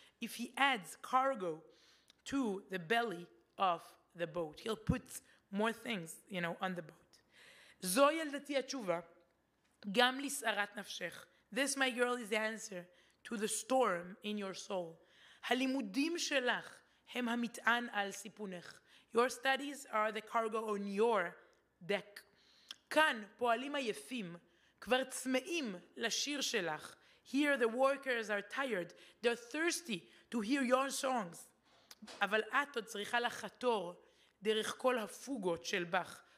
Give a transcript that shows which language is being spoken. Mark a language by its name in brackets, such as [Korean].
[English] If he adds cargo to the belly of the boat, he'll put more things, you know, on the boat. [Hebrew] זו ילדתי התשובה, גם לסערת נפשך. [English] This, my girl, is the answer to the storm in your soul. [Hebrew] הלימודים שלך הם המטען על סיפונך. [English] Your studies are the cargo on your deck. [Hebrew] כאן פועלים עייפים, כבר צמאים לשיר שלך. [English] Here the workers are tired, they're thirsty to hear your songs. [Hebrew] אבל את עוד צריכה לחתור דרך כל הפוגות של בח.